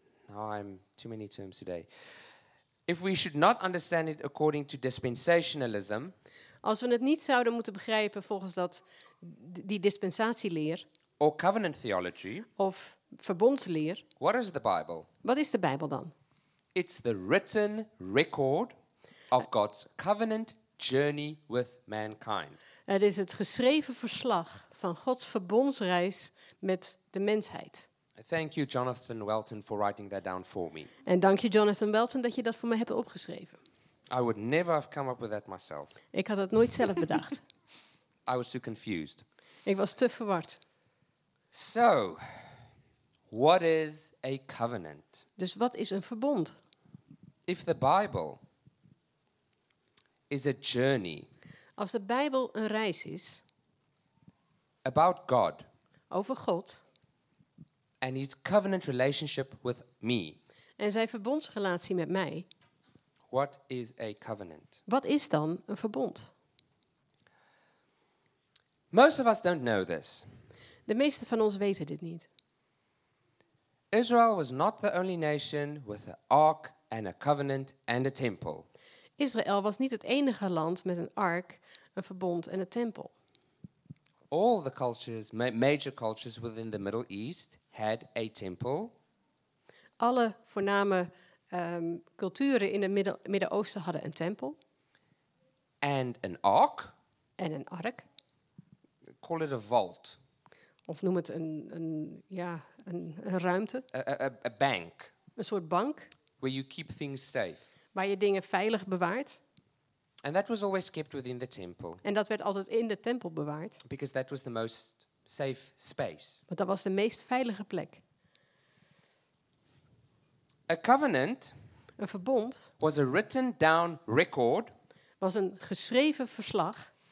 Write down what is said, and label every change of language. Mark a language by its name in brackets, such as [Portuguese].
[English] I'm too many terms today. If we should not understand it according to dispensationalism. [Dutch] Als we het niet zouden moeten begrijpen volgens dat die dispensatieleer. [English] Or covenant theology. [Dutch] Of verbondsleer. [English] What is the Bible? [Dutch] Wat is de Bijbel dan? [English] It's the written record of God's covenant journey with mankind. [Dutch] Het is het geschreven verslag van Gods verbondsreis met de mensheid. [English] Thank you, Jonathan Welton, for writing that down for me. [Dutch] En dank je, Jonathan Welton, dat je dat voor mij hebt opgeschreven. [English] I would never have come up with that myself. [Dutch] Ik had het nooit zelf bedacht. [English] I was too confused. [Dutch] Ik was te verward. [English] So, what is a covenant? [Dutch] Dus wat is een verbond? [English] If the Bible is a journey. [Dutch] Als de Bijbel een reis is. [English] About God. [Dutch] Over God. [English] And his covenant relationship with me. [Dutch] En zijn verbondsrelatie met mij. [English] What is a covenant? [Dutch] Wat is dan een verbond? [English] Most of us don't know this. [Dutch] De meeste van ons weten dit niet. [English] Israel was not the only nation with an ark and a covenant and a temple. [Dutch] Israël was niet het enige land met een ark, een verbond en een tempel. [English] All the cultures, major cultures within the Middle East had a temple. [Dutch] Alle voorname culturen in het Midden-Oosten hadden een tempel. [English] And an ark. [Dutch] En een ark. [English] Call it a vault. [Dutch] Of noem het een ruimte. [English] A bank. [Dutch] Een soort bank. [English] Where you keep things safe. [Dutch] Waar je dingen veilig bewaart. [English] And that was always kept within the temple. [Dutch] En dat werd altijd in de tempel bewaard. [English] Because that was the most safe space. [Dutch] Want dat was de meest veilige plek. [English] A covenant. [Dutch] Een verbond. [English] Was a written down record. [Dutch] Was een geschreven verslag.